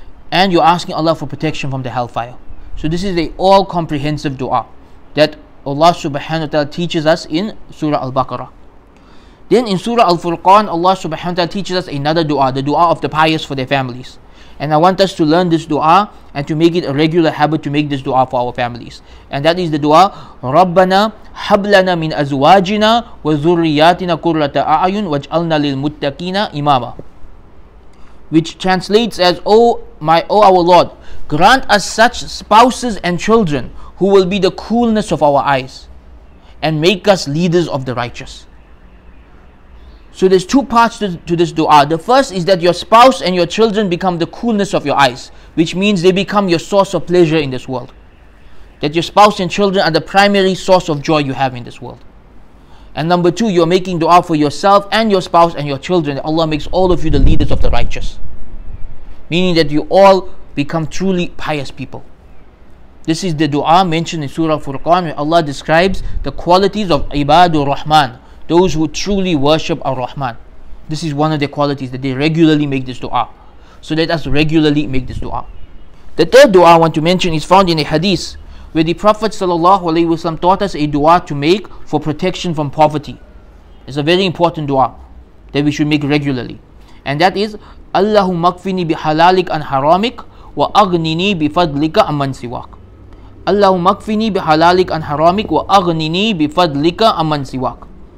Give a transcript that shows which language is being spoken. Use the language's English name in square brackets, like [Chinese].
[English] And you're asking Allah for protection from the hellfire. So this is an all-comprehensive du'a that Allah subhanahu wa ta'ala teaches us in Surah Al-Baqarah. Then in Surah Al-Furqan, Allah subhanahu wa ta'ala teaches us another du'a, the du'a of the pious for their families. And I want us to learn this du'a and to make it a regular habit to make this du'a for our families. And that is the du'a, [Arabic] رَبَّنَا حَبْلَنَا مِنْ أَزْوَاجِنَا وَذُرِّيَاتِنَا قُرَّةَ أَعْيُنْ وَاجْعَلْنَا لِلْمُتَّقِينَ إِمَامًا. [English] Which translates as, O our Lord, grant us such spouses and children who will be the coolness of our eyes and make us leaders of the righteous. So there's two parts to this du'a. The first is that your spouse and your children become the coolness of your eyes, which means they become your source of pleasure in this world. That your spouse and children are the primary source of joy you have in this world. And number two, you're making du'a for yourself and your spouse and your children. Allah makes all of you the leaders of the righteous. Meaning that you all become truly pious people. This is the du'a mentioned in Surah Furqan, where Allah describes the qualities of Ibadur Rahman. Those who truly worship Ar-Rahman. This is one of their qualities, that they regularly make this du'a. So let us regularly make this du'a. The third du'a I want to mention is found in a hadith where the Prophet ﷺ taught us a du'a to make for protection from poverty. It's a very important du'a that we should make regularly. And that is, [Arabic] اللهم اكفني بحلالك عن حرامك وأغنني بفضلك عن من سواك. اللهم اكفني بحلالك عن حرامك وأغنني بفضلك عن من سواك.